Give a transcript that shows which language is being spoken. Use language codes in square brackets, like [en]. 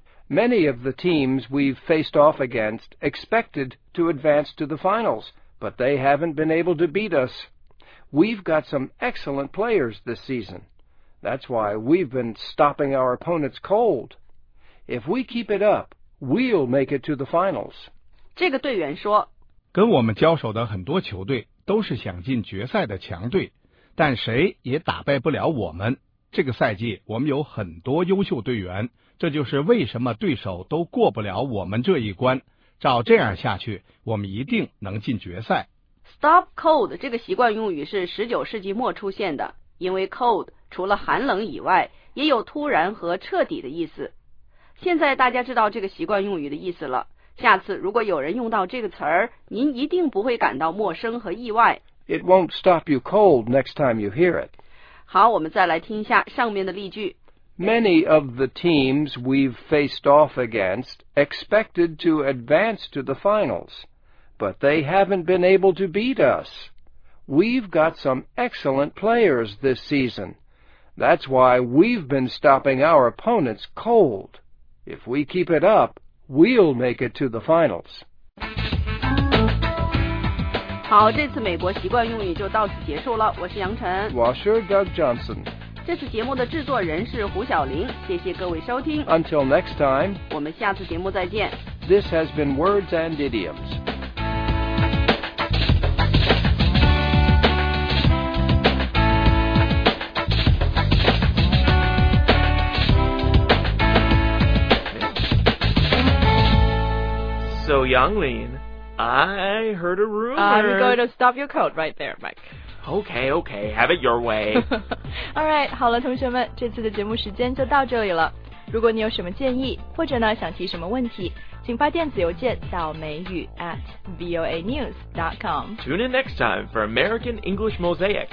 [en] Many of the teams we've faced off against expected to advance to the finals, but they haven't been able to beat us. We've got some excellent players this season. That's why we've been stopping our opponents cold. If we keep it up, we'll make it to the finals. [zh] 这个队员说，跟我们交手的很多球队都是想进决赛的强队，但谁也打败不了我们。这个赛季我们有很多优秀队员，这就是为什么对手都过不了我们这一关。照这样下去，我们一定能进决赛。 Stop cold 这个习惯用语是19世纪末出现的，因为 cold 除了寒冷以外，也有突然和彻底的意思。现在大家知道这个习惯用语的意思了，下次如果有人用到这个词儿，您一定不会感到陌生和意外。 [en] It won't stop you cold next time you hear it. [zh] 好，我们再来听一下上面的例句。 [en] Many of the teams we've faced off against expected to advance to the finals, but they haven't been able to beat us. We've got some excellent players this season. That's why we've been stopping our opponents cold. If we keep it up, we'll make it to the finals. [zh] 好，这次美国习惯用语就到此结束了。我是杨晨。 [en] Washer Doug Johnson。 [zh] 这次节目的制作人是胡晓玲，谢谢各位收听。 [en] Until next time， [zh] 我们下次节目再见。 [en] This has been Words and Idioms。 So Yanglin, I heard a rumor. I'm going to stop your coat right there, Mike. Okay, have it your way. [zh] Alright, 好了同学们，这次的节目时间就到这里了。如果你有什么建议，或者呢想提什么问题，请发电子邮件到美语@voanews.com. [en] Tune in next time for American English Mosaic.